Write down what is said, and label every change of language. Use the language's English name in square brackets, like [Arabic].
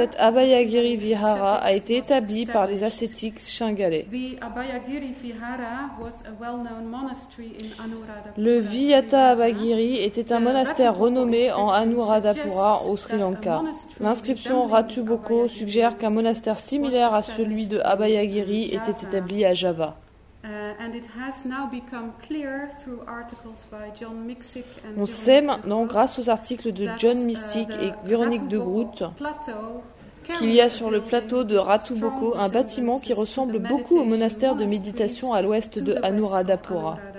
[French] cette Abhayagiri Vihara a été établie par les ascétiques Shingalais. [English] The Abhayagiri Vihara was a well-known monastery in Anuradhapura. [French] Le Vihata Abhayagiri était un monastère renommé en Anuradhapura au Sri Lanka. L'inscription Ratuboko suggère qu'un monastère similaire à celui de Abhayagiri était établi à Java. [English] And it has now become clear through articles by John Mixick and [French] On sait maintenant, grâce aux articles de John Mystic et Véronique de Groot, qu'il y a sur le plateau de Ratuboko un bâtiment qui ressemble beaucoup au monastère de méditation à l'ouest de Anuradhapura.